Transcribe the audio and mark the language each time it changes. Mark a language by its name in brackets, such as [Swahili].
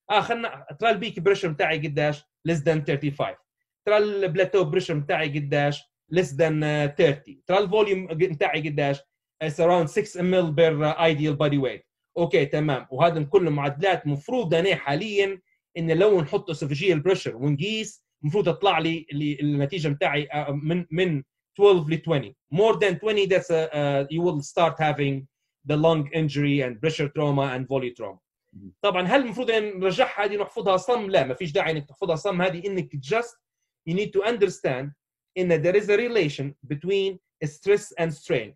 [Arabic] خلنا ترى البيك بريشر بتاعي قداش؟ [English] less than 35. [Arabic] ترى البلاتو بريشر بتاعي قداش؟ [English] less than 30. [Arabic] ترى الفوليوم بتاعي قداش؟ [English] it's around 6 ml per ideal body weight. [Arabic] اوكي تمام، وهذا كل معادلات مفروض انا حاليا ان لو نحط اسوفيجيال بريشر ونقيس مفروض اطلع لي النتيجه بتاعي من 12 ل 20. [English] More than 20 that's you will start having the lung injury and pressure trauma and volume trauma. [Arabic] طبعا هل المفروض نرجعها هذه نحفظها صم؟ لا، ما فيش داعي انك تحفظها صم. هذه انك [English] just you need to understand ان there is a relation between stress and strain.